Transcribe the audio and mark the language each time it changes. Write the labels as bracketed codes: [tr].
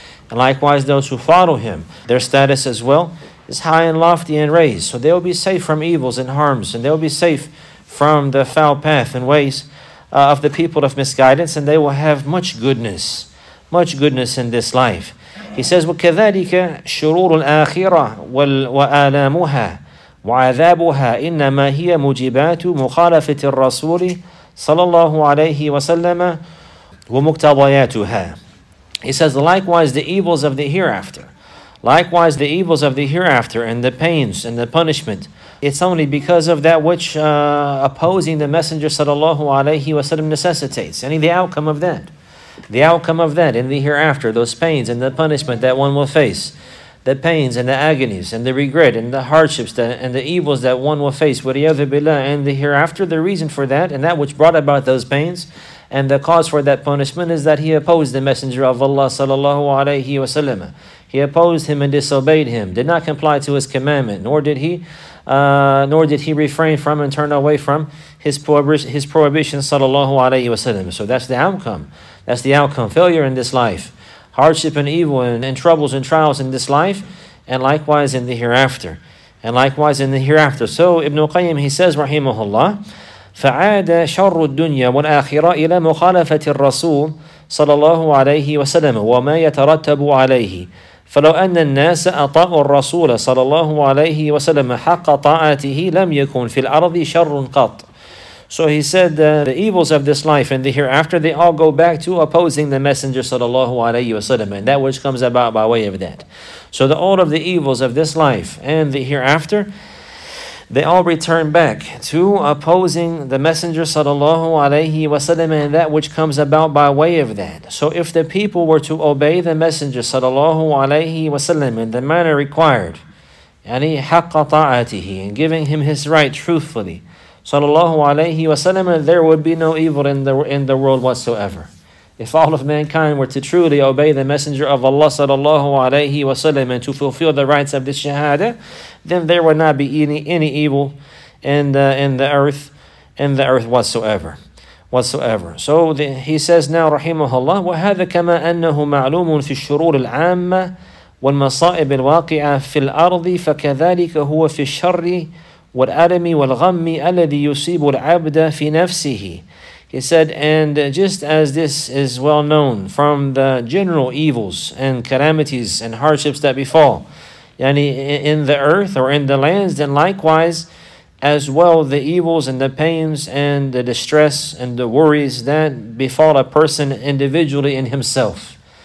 [en] And likewise those who follow him, their status as well is high and lofty and raised. So they'll be safe from evils and harms, and they'll be safe from the foul path and ways of the people of misguidance, and they will have much goodness in this life. He says, [ar] وَكَذَلِكَ شُرُورُ الْآخِرَةِ وَآلَامُهَا وعذابها إنما هي موجبات مخالفة الرسول صلى الله عليه وسلم ومقتضياتها. [en] He says, likewise the evils of the hereafter, and the pains and the punishment, it's only because of that which opposing the Messenger صلى الله عليه وسلم necessitates. I mean, the outcome of that, in the hereafter, those pains and the punishment that one will face, the pains and the agonies and the regret and the hardships that, and the evils that one will face, [ar] وَلِيَذِ بِاللَّهِ, [en] and the hereafter, the reason for that and that which brought about those pains and the cause for that punishment is that he opposed the Messenger of Allah sallallahu alayhi wa sallam. He opposed him and disobeyed him, did not comply to his commandment, nor did he refrain from and turn away from his prohibition sallallahu alayhi wa sallam. So that's the outcome. Failure in this life hardship and evil and troubles and trials in this life, and likewise in the hereafter. And likewise in the hereafter. So Ibn Qayyim, he says, rahimahullah, [ar] فَعَادَ شَرُّ الدُّنْيَا وَالْآخِرَةِ إِلَى مُخَالَفَةِ الرَّسُولِ صَلَى اللَّهُ عَلَيْهِ وَسَلَّمَ وَمَا يَتَرَتَّبُ عَلَيْهِ فَلَوْ أَنَّ النَّاسَ أَطَاعُوا الرَّسُولَ صَلَى اللَّهُ عَلَيْهِ وَسَلَّمَ حَقَّ طَاعَتِهِ لَمْ يَكُنْ فِي الْأَرْضِ شَرٌّ قَطْ. [en] So he said, the evils of this life and the hereafter, they all go back to opposing the Messenger sallallahu alayhi wasallam, and that which comes about by way of that. So the all of the evils of this life and the hereafter, they all return back to opposing the Messenger sallallahu alayhi wasallam, and that which comes about by way of that. So if the people were to obey the Messenger sallallahu alayhi wasallam in the manner required, yani [ar] حق طاعته, [en] and giving him his right truthfully, sallallahu alayhi wasallam, there would be no evil in the world whatsoever. If all of mankind were to truly obey the Messenger of Allah sallallahu alayhi wasallam and to fulfill the rights of this shahada, then there would not be any evil in the earth whatsoever. So he says now, rahimahullah, [ar] وَهَذَا كَمَا أَنَّهُ مَعْلُومٌ فِي الشُّرُورِ الْعَامَّةِ وَالْمَصَائِبِ الْوَاقِعَةِ فِي الْأَرْضِ فَكَذَلِكَ هُوَ فِي الشَّرِّ وَالْأَلَمِ وَالْغَمِّ أَلَّذِي يُصِيبُ الْعَبْدَ فِي نَفْسِهِ. [en] He said, and just as this is well known from the general evils and calamities and hardships that befall, yani in the earth or in the lands, then likewise as well the evils and the pains and the distress and the worries that befall a person individually in himself.